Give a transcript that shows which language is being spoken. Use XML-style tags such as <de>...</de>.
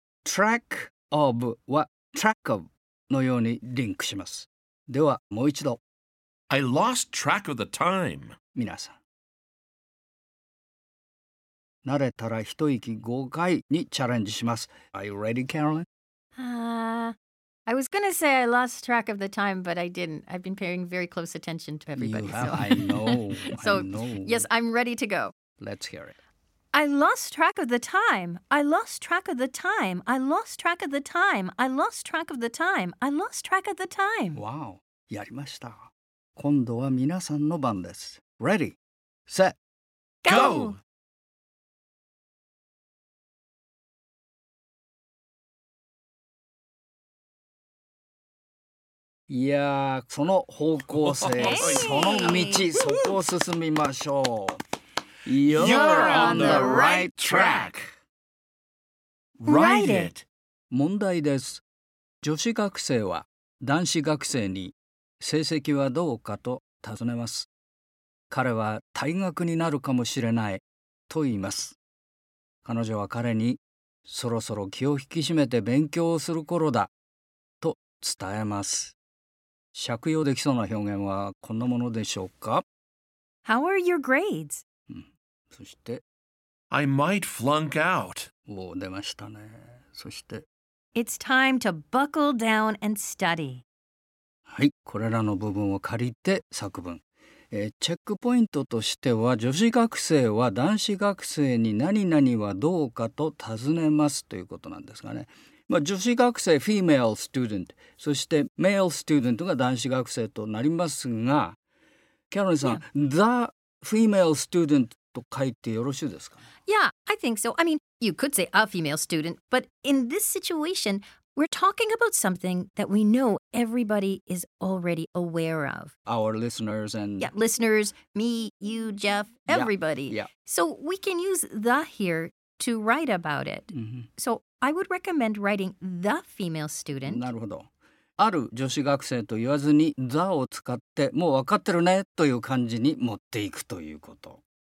<ja>Track of は track of のようにリンクします。ではもう一度。</ja> <en>I lost track of the time.</en> <ja>皆さん。慣れたら一息5回にチャレンジします。</ja> <en>Are you ready, Carolyn? I was gonna say I lost track of the time, but I didn't. I've been paying very close attention to everybody. I know. I'm ready to go. Let's hear it. I lost track of the time. I lost track of the time. I lost track of the time. I lost track of the time. I lost track of the time.</en> <ja>Wow. やりました。今度は皆さんの番です。</ja> <en>Ready, set, go!</en> <ja>いやー、その方向性、その道、そこを進みましょう。</ja> <en>You're on the right track. Write it.</en> <ja>問題です。女子学生は男子学生に成績はどうかと尋ねます。彼は退学になるかもしれないと言います。彼女は彼にそろそろ気を引き締めて勉強をする頃だと伝えます。借用できそうな表現はこんなものでしょうか?</ja> <en>How are your grades?</en> <ja>そして、</ja> <en>I might flunk out.</en> <ja>お、出ましたね。そして、</ja> <en>It's time to buckle down and study.</en> <ja>はい、これらの部分を借りて作文。チェックポイントとしては、女子学生は男子学生に何々はどうかと尋ねますということなんですがね。まあ、女子学生、female student、そして male student が男子学生となりますが、キャロリンさん、</ja> <en>the female student。</en> <ja>と書いてよろしいですか?</ja> <en>Yeah, I think so. I mean, you could say a female student, but in this situation, we're talking about something that we know everybody is already aware of. Our listeners and... Yeah, listeners, me, you, Jeff, everybody. Yeah, yeah. So we can use the here to write about it. Mm-hmm. So I would recommend writing the female student.</en> <ja>なるほど。ある女子学生と言わずに the を使ってもう分かってるねという感じに持っていくということ。</ja>